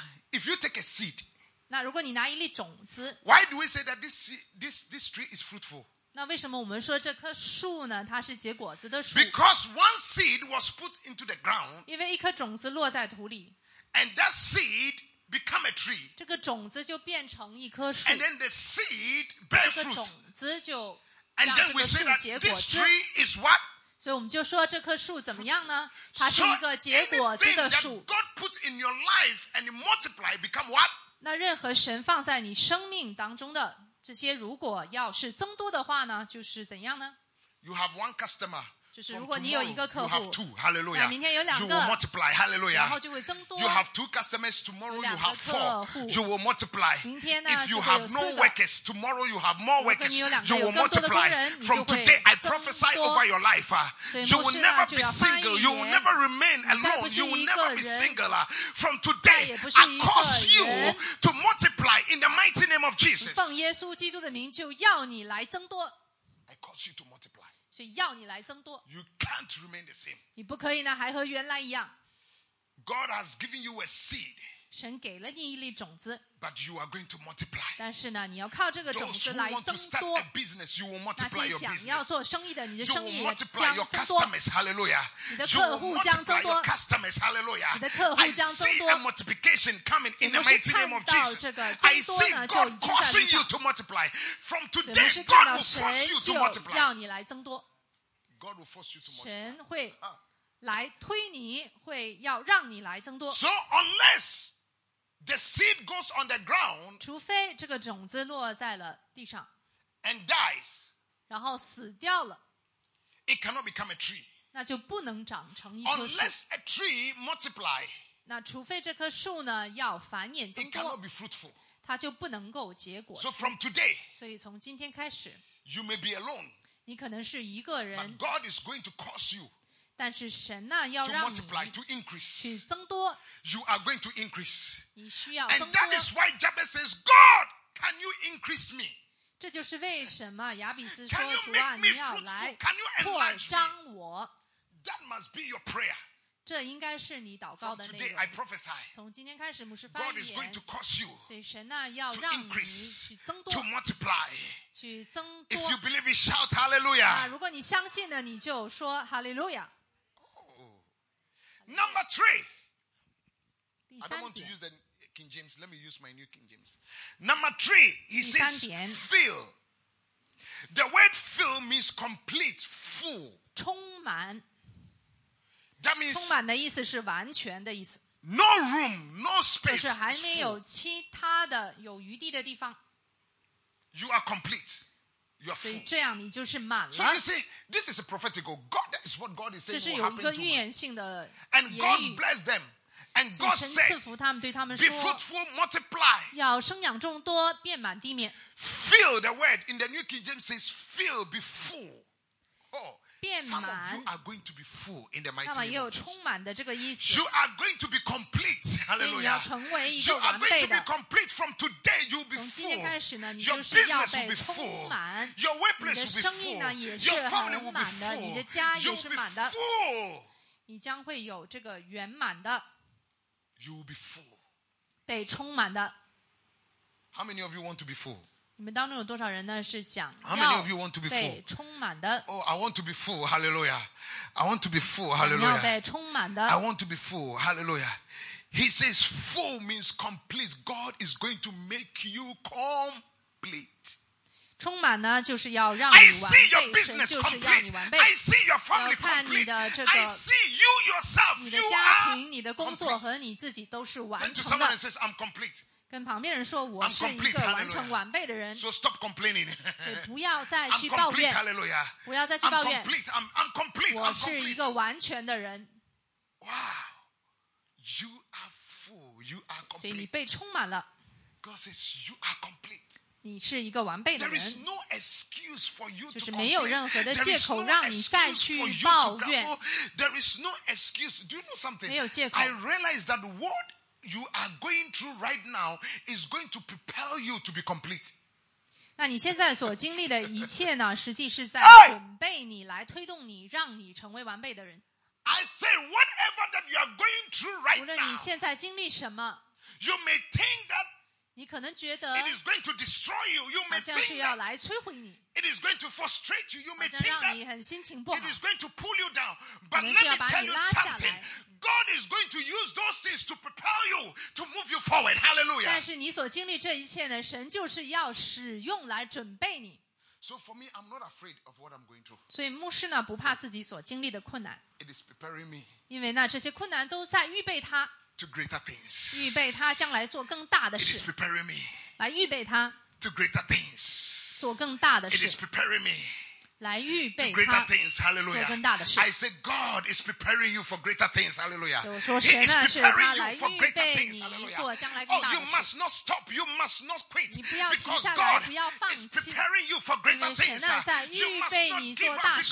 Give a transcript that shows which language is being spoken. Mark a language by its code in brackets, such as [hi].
[en] If you take a seed, [zh] 那如果你拿一粒种子 [en] ，Why do we say that this tree is fruitful? [zh] 那为什么我们说这棵树呢？它是结果子的树。 [en] Because one seed was put into the ground. [zh] 因为一颗种子落在土里。 [en] And that seed became a tree. [zh] 这个种子就变成一棵树。 [en] And then the seed bear fruit. [zh] 这个种子就让这个树结果子。 [en] And then we say that this tree is what? [zh] 所以我们就说这棵树怎么样呢？它是一个结果子的树。 [en] So anything that God put in your life and multiply become what? [zh] 那任何神放在你生命当中的。这些如果要是增多的话呢，就是怎样呢 [en] ？You have one customer. [zh] 就是如果你有一个客户 [en] ，You have two. Hallelujah. [zh] 那明天有两个 [en] ，You will multiply. Hallelujah. [zh] 然后就会增多。 [en] You have two customers tomorrow. You have four. You will multiply. [zh] 明天呢 [en] ，If you have no workers tomorrow, you have more workers. [zh] 如果你有两个 [en] ，You will multiply. From today, I prophesy over your life. You will never be single. You will never remain alone. You will never be single. From today, I cause you to multiply in the mighty name of Jesus. [zh] 奉耶稣基督的名，就要你来增多。 [en] I cause you to multiply. [zh] 所以要你来增多。 [en] You can't remain the same. [zh] 你不可以呢，还和原来一样。 [en] God has given you a seed. [zh] 神给了你一粒种子。 [en] But you are going to multiply. [zh] 但是呢，你要靠这个种子来增多。 [en] Those who want to start a business, you will multiply your business. [zh] 那些想要做生意的，你的生意也将增多。 [en] You will multiply your customers, hallelujah. [zh] 你的客户将增多。 [en] You will multiply your customers, hallelujah. [zh] 你的客户将增多。 [en] I see a multiplication coming in the mighty name of Jesus. [zh] 这个增多呢，就已经在路上。 [en] I see God forcing you to multiply. From today, God will force you to multiply. [zh] 要你来增多。 [en] God will force you to multiply. [zh] 神会来推你，会要让你来增多。 [en] So unless the seed goes on the ground, [zh] 除非这个种子落在了地上 [en] and dies, [zh] 然后死掉了 [en] it cannot become a tree. [zh] 那就不能长成一棵树。 [en] Unless a tree multiply, [zh] 那除非这棵树呢要繁衍增多 [en] it cannot be fruitful. [zh] 它就不能够结果。 [en] So from today, [zh] 所以从今天开始 [en] you may be alone. [zh] 你可能是一个人。 [en] But God is going to cause you. [zh] 但是神呢，要让你 [en] to multiply, to increase. [zh] 去增多。 [en] You are going to increase. [zh] 你需要增多。 [en] And that is why Jabez says, God, can you increase me? [zh] 这就是为什么亚比斯说主啊，你要来扩张我。 [en] That must be your prayer. [zh] 这应该是你祷告的内容。 [en] From today, I prophesy. [zh] 从今天开始，牧师发言。 [en] God is going to cause you. [zh] 所以神呢，要让你去增多。 [en] To multiply. [zh] 去增多。 [en] If you believe, you shout hallelujah. [zh] 啊，如果你相信呢，你就说 hallelujah. [en] Number three. [zh] 第三点。 [en] I don't want to use the King James. Let me use my new King James. Number three, he says, fill. The word fill means complete, full. [zh] 充满。 [en] That means [zh] 充满的意思是完全的意思。 [en] No room, no space. [zh] 就是还没有其他的有余地的地方。 [en] You are complete. You are full. [zh] 所以这样你就是满了。 [en] So you see, this is a prophetical. God, that is what God is saying. [zh] 这是有一个预言性的言语。 [en] And God blessed them. And God said, [zh] 所以神赐福他们，对他们说 [en] be fruitful, multiply. [zh] 要生养众多，遍满地面。 [en] Fill the word in the New King James says, fill, be full. Oh, [zh] 遍满。 [en] Some of you are going to be full in the mighty name. [zh] 那么也有充满的这个意思。 [en] You are going to be complete. Hallelujah. [zh] 所以你要成为一个完备的。 [en] You are going to be complete from today. You will be full. [zh] 从今天开始呢，你就是要被充满。 [en] Your business will be full. Your workplace will be full. Your family will be full. [zh] 你的家也是满的。 [en] You will be full. [zh] 你将会有这个圆满的。 [en] You will be full. [zh] 被充满的。 [en] How many of you want to be full? [zh] 你们当中有多少人呢？是想要被充满的 [en] ？Oh, I want to be full, Hallelujah! I want to be full, Hallelujah! [zh] 想要被充满的 [en] ？I want to be full, Hallelujah! He says, "Full means complete. God is going to make you complete." [zh] 充满呢，就是要让你完备。 [en] I see your business complete. I see your family complete. [zh] 要看你的这个 [en] ，I see you yourself. [zh] 你的家庭、你的工作和你自己都是完成的。 [en] Then to someone that says, "I'm complete." [zh] 跟旁边人说，我是一个完成完备的人。 [en] So stop complaining. [zh] 所以不要再去抱怨。 [en] Hallelujah. [zh] 不要再去抱怨。 [en] I'm complete. [zh] 我是一个完全的人。 [en] Wow, you are full. You are complete. [zh] 所以你被充满了。 [en] God says you are complete. [zh] 你是一个完备的人。 [en] There is no excuse for you to complain. [zh] 就是没有任何的借口让你再去抱怨。 [en] There is no excuse. Do you know something? [zh] 没有借口。 [en] I realize that what. You are going through right now is going to propel you to be complete. [zh] 那你现在所经历的一切呢，实际是在准备你来推动你，让你成为完备的人。 [en] I say whatever that you are going through right now. [zh] 无论你现在经历什么 [en] ，You may think that [zh] 你可能觉得 [en] it is going to destroy you. You may think [zh] 好像是要来摧毁你。 [en] It is going to frustrate you. You may think [zh] 好像让你很心情不好。 [en] It is going to pull you down. But let me tell you something. [zh] 可能是要把你拉下来。 [en] God is going to use those things to propel you to move you forward. Hallelujah. [zh] 但是你所经历这一切呢，神就是要使用来准备你。 [en] So for me, I'm not afraid of what I'm going through. [zh] 所以牧师呢，不怕自己所经历的困难。 [en] It is preparing me. [zh] 因为呢，这些困难都在预备他。 [en] To greater things. [zh] 预备他将来做更大的事。 [en] It is preparing me. [zh] 来预备他。 [en] To greater things. [zh] 做更大的事。 [en] It is preparing me. [zh] 来预备他 [en] to greater things, Hallelujah. [zh] 做更大的事。 [en] I say God is preparing you for greater things, Hallelujah. [zh] 我说神呢，是他来预备你做将来更大的事。 [en] Oh, you must not stop, you must not quit. [zh] 你不要停下来，不要放弃。 [en] Is preparing you for greater things. [zh] 因为神呢，在预备你做大事。